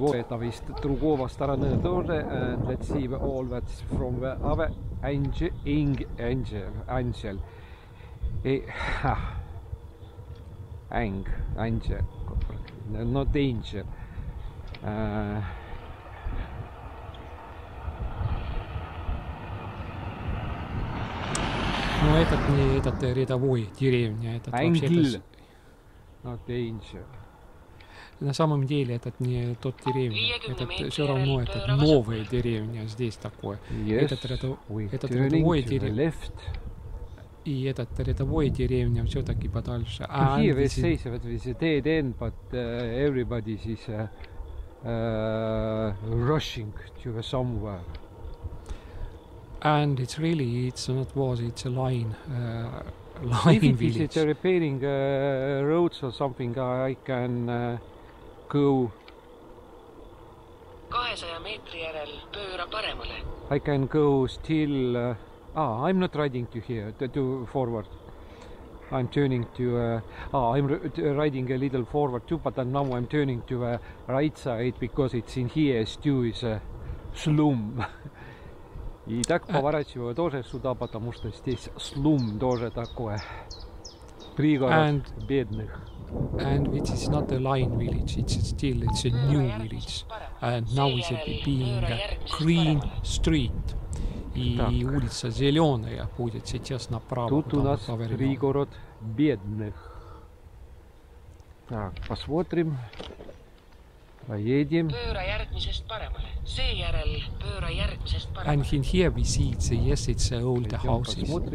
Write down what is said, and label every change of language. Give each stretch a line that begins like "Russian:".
Russian: Посмотрим сегодня из другого стороны тоже.
English: And let's see all that's from the other angel. Angel. No danger.
Russian: Но этот не этот рядовой деревня, этот вообще-то... На самом деле этот не тот деревня, этот все равно это новая деревня здесь такое. Этот рядовой деревня. И этот рядовой деревня все-таки подальше.
English: А here we say that this is dead end, but everybody is rushing to somewhere. And it's really, it's not was, it's a line village. If it's a repairing roads or something, I can go.
Estonian: 200 meetri järel pööra paremale.
English: I can go still. I'm not riding to here, to forward. I'm turning to. I'm riding a little forward too, but now I'm turning to the right side because it's in here, still is a slum.
Russian: И так поворачиваю тоже сюда, потому что здесь слум тоже такое. Пригород бедных.
English: And it is not a line village, it's a new village. And now it's being a green street.
Russian: И улица зеленая будет сейчас направо. Тут у нас пригород бедных. Так, посмотрим. Поедем.
English: And in here we see it's yes it's old houses.